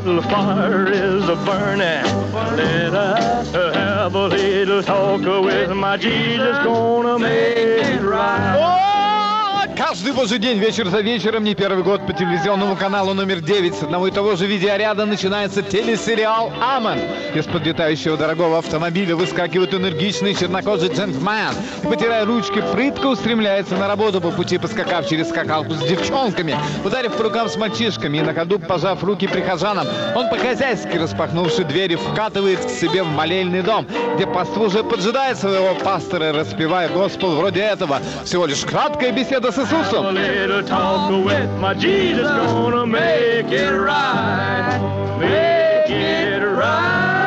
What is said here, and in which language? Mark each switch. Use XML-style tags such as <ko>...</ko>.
<en>Fire is a-burning. Let us have a little talk with my Jesus, gonna make it right.</en> <ru>Каждый божий день, вечер за вечером, не первый год по телевизионному каналу номер 9. С одного и того же видеоряда начинается телесериал «Амон». Из подлетающего дорогого автомобиля выскакивает энергичный чернокожий джентльмен. И, потирая ручки, прытко устремляется на работу, по пути поскакав через скакалку с девчонками, ударив по рукам с мальчишками и на ходу пожав руки прихожанам. Он по-хозяйски, распахнувши двери, вкатывает к себе в молельный дом, где паству уже поджидает своего пастора, распевая Господ вроде этого. Всего лишь краткая беседа со</ru> <en>have a little talk with my Jesus, gonna make it right, make it right.</en>